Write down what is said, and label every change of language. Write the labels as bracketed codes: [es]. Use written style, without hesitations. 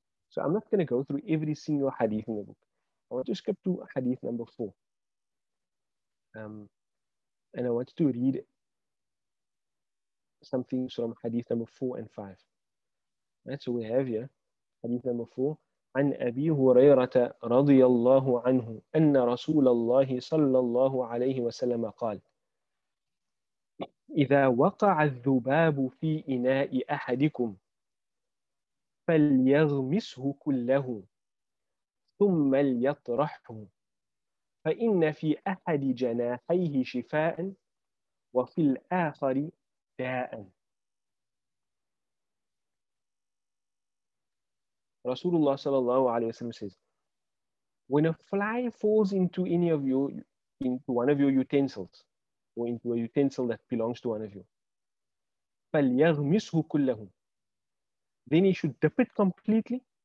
[en] So I'm not going to go through every single hadith in the book. I want to skip to hadith number four. And I want to read some things from hadith number 4 and 5. Right, so we have here hadith number 4. [ar] عن أبي هريرة رضي الله عنه أن رسول الله صلى الله عليه وسلم قال إذا وقع الذباب في إناء أحدكم فليغمسه كله ثم ليطرحه فإن في أحد جناحيه شفاء وفي الآخر داء. [en] Rasulullah sallallahu alayhi wa sallam says, when a fly falls into one of your utensils, or into a utensil that belongs to one of you, [ar] فَلْيَغْمِسْهُ كُلَّهُ, [en] then he should dip it completely.